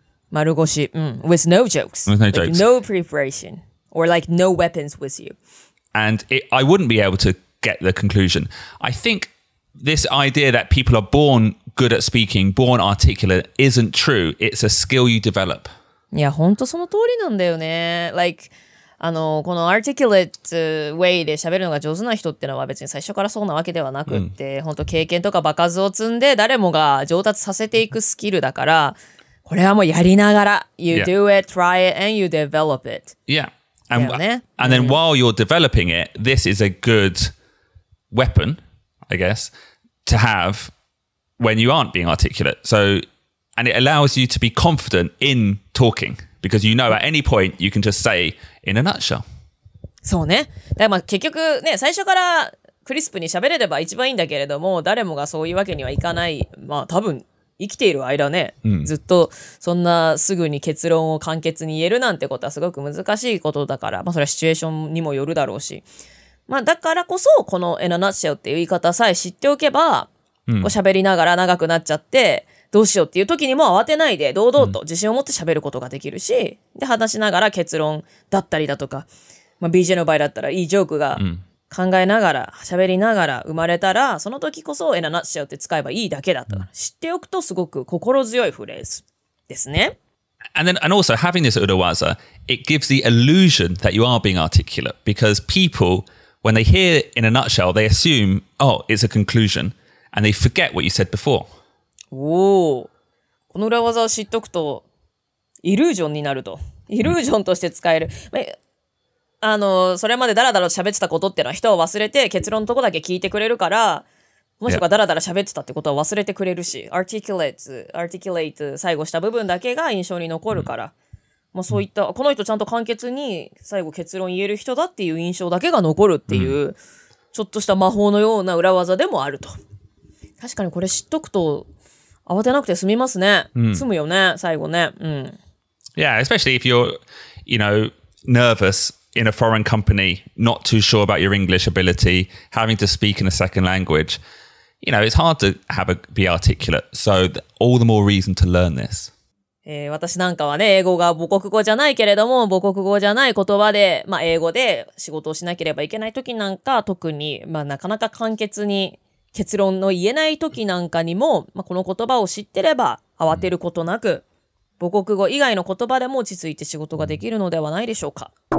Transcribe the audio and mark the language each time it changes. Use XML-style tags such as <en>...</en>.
<en>丸腰、with no jokes. With no jokes. Like, no preparation. Or like no weapons with you. And I wouldn't be able to get the conclusion. I think this idea that people are born good at speaking, born articulate, isn't true. It's a skill you develop.</en> <ja>いや、本当その通りなんだよね。 Like、あの、この articulate way で喋るのが上手な人ってのは別に最初からそうなわけではなくって、うん、本当経験とか場数を積んで誰もが上達させていくスキルだから、これはもうやりながら、you、</ja> <en>yeah. do it, try it, and you develop it. Yeah. And,、ね、and then while you're developing it, this is a good weapon, I guess, to have when you aren't being articulate. So,And it allows you to be confident in talking because you know at any point you can just say in a nutshell.</en> <ja>そうね。だからまあ結局ね、最初からクリスプに喋れれば一番いいんだけれども、誰もがそういうわけにはいかない。まあ多分生きている間ね、ずっとそんなすぐに結論を簡潔に言えるなんてことはすごく難しいことだから、まあそれはシチュエーションにもよるだろうし。まあだからこそこの</ja> <en>in a nutshell</en> <ja>っていう言い方さえ知っておけば、こう喋りながら長くなっちゃって、どうしようっていう時にも慌てないで堂々と自信を持って喋ることができるし、で話しながら結論だったりだとか、まあ、BJ の場合だったらいいジョークが考えながら喋りながら生まれたら、その時こそエナナッシャーって使えばいいだけだと知っておくとすごく心強いフレーズですね。</ja> <en>And then, and also having this urawaza, it gives the illusion that you are being articulate because people, when they hear in a nutshell, they assume, oh, it's a conclusion, and they forget what you said before.</en> <ja>おお、この裏技を知っとくと、イルージョンになると。イルージョンとして使える。あの、それまでダラダラ喋ってたことってのは人を忘れて結論のとこだけ聞いてくれるから、もしくはダラダラ喋ってたってことは忘れてくれるし、articulate 最後した部分だけが印象に残るから、まあ、そういった、この人ちゃんと簡潔に最後結論言える人だっていう印象だけが残るっていう、ちょっとした魔法のような裏技でもあると。確かにこれ知っとくと、慌てなくて済みますね。済むよね、最後ね。</ja> <en>Yeah, especially if you're, you know, nervous in a foreign company, not too sure about your English ability, having to speak in a second language. You know, it's hard to have a, be articulate. So, all the more reason to learn this.、</en> <ja>私なんかはね、英語が母国語じゃないけれども、母国語じゃない言葉で、まあ、英語で仕事をしなければいけない時なんか、特に、まあ、なかなか簡潔に、結論の言えない時なんかにも、まあ、この言葉を知ってれば慌てることなく母国語以外の言葉でも落ち着いて仕事ができるのではないでしょうか。</ja>